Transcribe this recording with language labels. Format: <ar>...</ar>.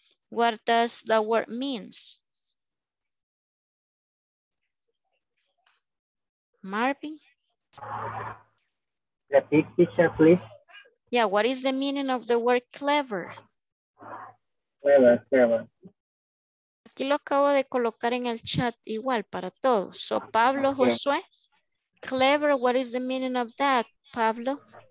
<en>What does the word mean? Marvin? Repeat, teacher, please. Yeah, what is the meaning of the word clever? Clever, clever.</en> <es>Aquí lo acabo de colocar en el chat igual para todos.</es> <en>So, Pablo, okay. Josué, clever, what is the meaning of that, Pablo?</en>